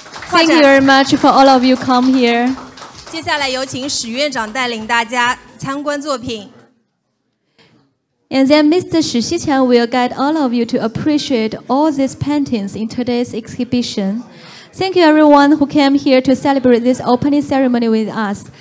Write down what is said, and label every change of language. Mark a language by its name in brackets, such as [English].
[English] Thank you very much for all of you come here. [Chinese] 接下来有请史院长带领大家参观作品。 [English] And then Mr. Shi Xiqiang will guide all of you to appreciate all these paintings in today's exhibition. Thank you everyone who came here to celebrate this opening ceremony with us.